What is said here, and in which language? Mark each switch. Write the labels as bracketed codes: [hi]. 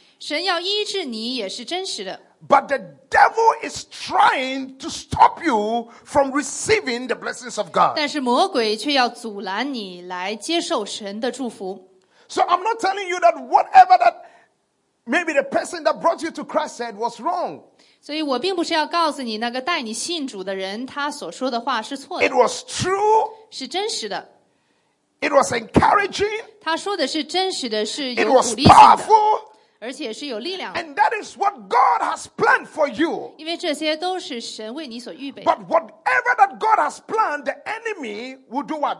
[zh] 神要医治你也是真实的。 [en] But the devil is trying to stop you from receiving the blessings of God. [zh] 但是魔鬼却要阻拦你来接受神的祝福。 [en] So I'm not telling you that whatever that maybe the person that brought you to Christ said was wrong. [zh] 所以我并不是要告诉你那个带你信主的人他所说的话是错的。 [en] It was true. [zh] 是真实的。 [en] It was encouraging. [zh] 他说的是真实的，是有鼓励性的。 [en] It was powerful. [zh] 而且是有力量的。 [en] And that is what God has planned for you. [zh] 因为这些都是神为你所预备。 [en] But whatever that God has planned, the enemy will do what?